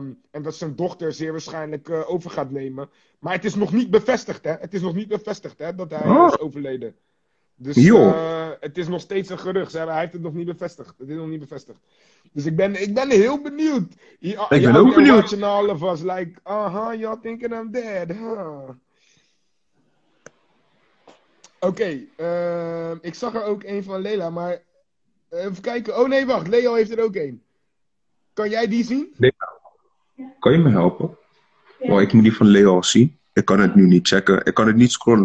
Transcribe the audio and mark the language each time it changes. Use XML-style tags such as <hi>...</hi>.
<nl>En dat zijn dochter zeer waarschijnlijk over gaat nemen. Maar het is nog niet bevestigd, hè. Het is nog niet bevestigd, hè, dat hij is overleden. Dus het is nog steeds een gerucht. Hij heeft het nog niet bevestigd. Het is nog niet bevestigd. Dus ik ben heel benieuwd. Ik ben ook benieuwd.</nl> <en>Watching all of us like, y'all thinking I'm dead, huh?</en> <nl>Oké, ik zag er ook een van Leila, maar even kijken. Oh nee, wacht, Leo heeft er ook een. Kan jij die zien? Leo, kan je me helpen? Ja. Oh, ik moet die van Leo al zien. Ik kan het nu niet checken. Ik kan het niet scrollen.</nl>